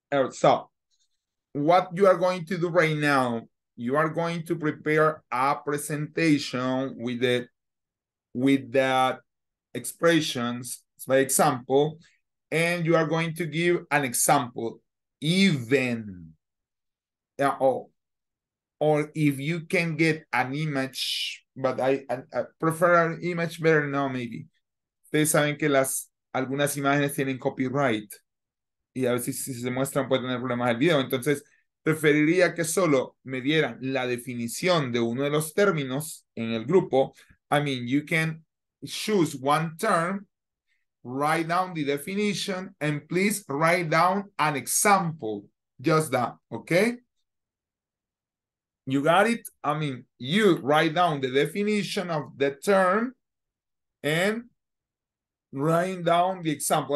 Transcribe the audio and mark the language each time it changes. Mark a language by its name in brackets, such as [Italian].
[English] So, what you are going to do right now, you are going to prepare a presentation with the expressions, by example, and you are going to give an example, even, or if you can get an image but I prefer an image better now, maybe. [Spanish] Ustedes saben que las algunas imágenes tienen copyright. Y a veces si se muestran puede tener problemas el video. Entonces, preferiría que solo me dieran la definición de uno de los términos en el grupo. [English] I mean, you can choose one term, write down the definition, and please write down an example. Just that, okay? You got it? I mean, you write down the definition of the term and write down the example.